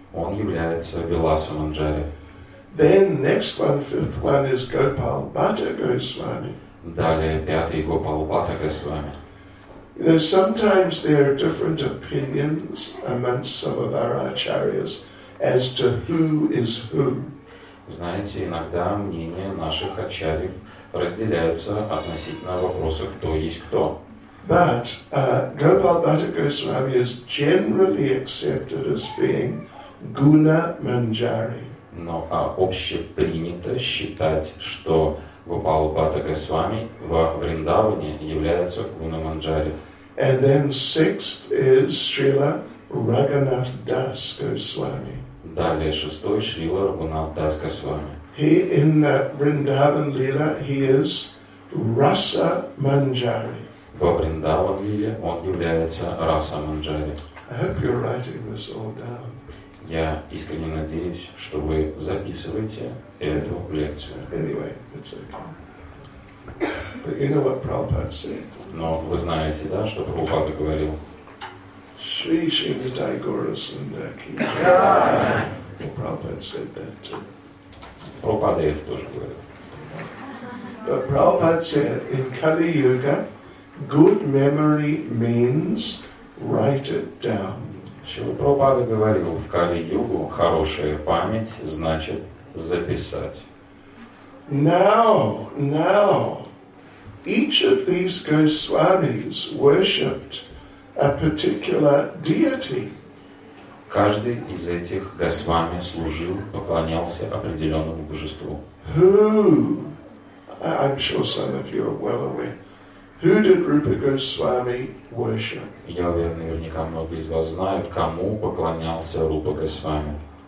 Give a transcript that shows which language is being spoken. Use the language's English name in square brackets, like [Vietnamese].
[Russian] Он является Виласа Манджари. [English] Then next one, fifth one, is Gopal Bhatta Goswami. [Russian] Далее пятый, Гопал Бхатта Госвами. [English] You know, sometimes there are different opinions amongst some of our acharyas as to who is who. [Russian] Знаете, иногда мнения наших ачарьев разделяются относительно вопроса, кто есть кто. [English] But Gopal Bhatta Goswami is generally accepted as being Guna Manjari. [Russian] Но общепринято считать, что Гопал Бхатта Госвами во Вриндаване является Гуна Манджари. [English] And then sixth is Srila Raghunath Das Goswami. [Russian] Далее шестой Шрила Рагунат Дас Госвами. [English] He in the Vrindavan Lila he is Rasa Manjari. [Russian] Во Вриндаван Лиле он является Раса Манджари. [English] I hope you're writing this all down. [Russian] Я искренне надеюсь, что вы записываете эту лекцию. [English] Anyway, it's okay. But you know what Prabhupada said? [Russian] Но вы знаете, да, что Прабхупада говорил? [English] Shri Shri Vitae Gaura Sundaki. Well, Prabhupada said that too. [Russian] Прабхупада это тоже говорил. [English] But Prabhupada said, in Kali Yuga, good memory means write it down. [Russian] Шрила Прабхупада говорил, в Кали-Югу хорошая память значит записать. [English] Now, each of these Goswamis worshipped a particular deity. [Russian] Каждый из этих Госвами служил, поклонялся определенному божеству. [English] Who? I'm sure some of you are well aware. Who did Rupa Goswami worship? [Russian] Я уверен, наверняка многие из вас знают, кому поклонялся Рупа Госвами.